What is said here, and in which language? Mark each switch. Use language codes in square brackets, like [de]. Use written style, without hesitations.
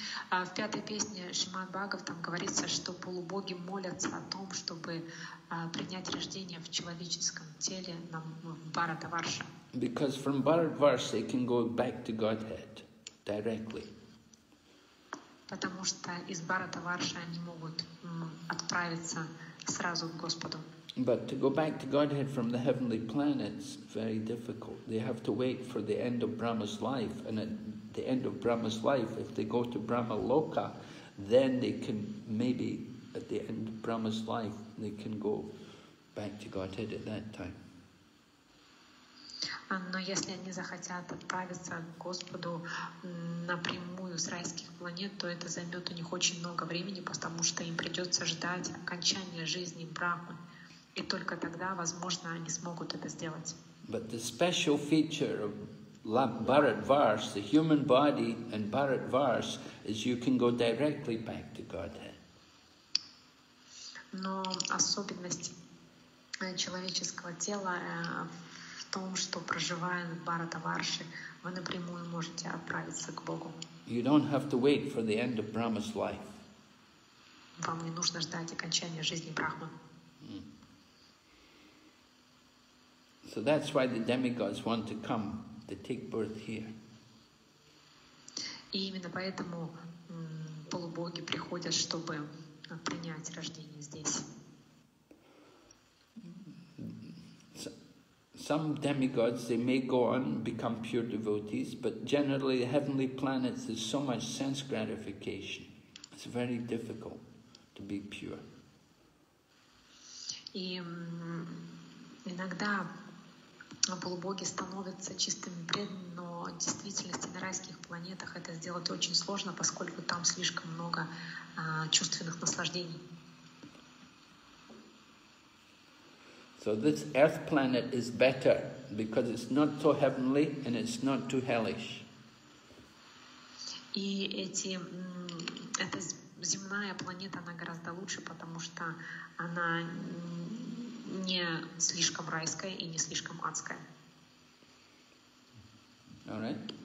[ru] В пятой песне Шримад Бхагаватам говорится, что полубоги молятся о том, чтобы принять рождение в человеческом теле в Бхаратварше. [en] Because from Bharatvarsh they can go back to Godhead directly. [ru] Потому что из Бхаратварши они могут отправиться сразу к Господу. [en] But to go back to Godhead from the heavenly planets, very difficult. They have to wait for the end of Brahma's life, and at the end of Brahma's life, if they go to Brahma Loka, then they can, maybe at the end of Brahma's life, they can go back to Godhead at that time. [ru] Но если они захотят отправиться к Господу напрямую с райских планет, то это займет у них очень много времени, потому что им придется ждать окончания жизни Брахмы. И только тогда, возможно, они смогут это сделать. [en] But the special feature of Bharatvarsh, the human body and Bharatvarsh, is you can go directly back to Godhead. [ru] Но особенность человеческого тела в том, что проживая в Бхаратварше, вы напрямую можете отправиться к Богу. [en] You don't have to wait for the end of Brahma's life. [ru] Вам не нужно ждать окончания жизни Брахмы. [en] So that's why the demigods want to come to take birth here. [ru] И именно поэтому полубоги приходят, чтобы принять рождение здесь. [en] Some demigods, they may go on become pure devotees, but generally the heavenly planets, there's so much sense gratification. It's very difficult to be pure. [ru] И иногда полубоги становятся чистыми преданными, но в действительности на райских планетах это сделать очень сложно, поскольку там слишком много чувственных наслаждений. [en] So this earth planet is better because it's not so heavenly and it's not too hellish. [ru] И эта земная планета, она гораздо лучше, потому что она не слишком райская и не слишком адская. [en] All right.